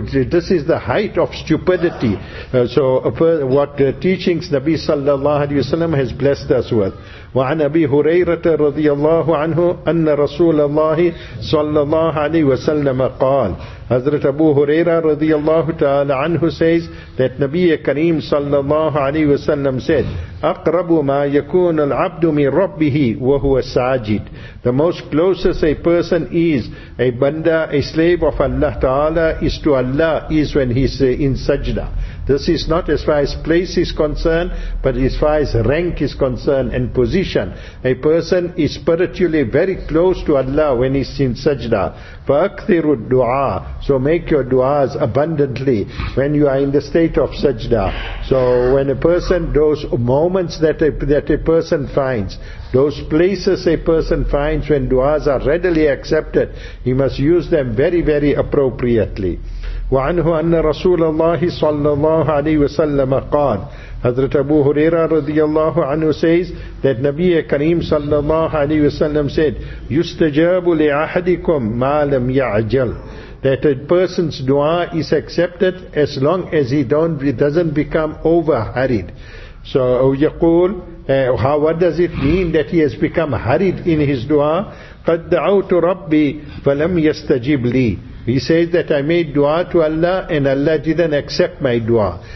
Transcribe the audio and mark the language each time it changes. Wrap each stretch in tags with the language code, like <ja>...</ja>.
<en>This is the height of stupidity. So what teachings Nabi sallallahu alayhi wa sallam has blessed us with.</en> <ar>وعن أبي هريرة رضي الله عنه أن رسول الله صلى الله عليه وسلم قال.</ar> <en>Hazrat Abu Huraira رضي الله تعالى عنه says that نبي كريم صلى الله عليه وسلم said,</en> <ar>أقرب ما يكون العبد من ربه وهو ساجد.</ar> <en>The most closest a person is, a banda, a slave of Allah Ta'ala, is to Allah, is when he is in sajda. This is not as far as place is concerned, but as far as rank is concerned and position. A person is spiritually very close to Allah when he's in sajda.</en> <ar>فَأَكْثِرُ الدُّعَى.</ar> <en>So make your du'as abundantly when you are in the state of sajda. So when a person, those moments that a person finds, those places a person finds when du'as are readily accepted, he must use them very, very appropriately.</en> <ar>وعنه أن رسول الله صلى الله عليه وسلم قال.</ar> <en>Hazrat Abu Huraira رضي الله عنه says that نبي كريم صلى الله عليه وسلم said,</en> <ar>يستجاب لأحدكم ما لم يعجل.</ar> <en>That a person's dua is accepted as long as he doesn't become over hurried. So يقول, what does it mean that he has become hurried in his dua?</en> <ar>قد دعوت ربي فلم يستجب لي.</ar> <en>He says that I made dua to Allah and Allah didn't accept my dua.</en>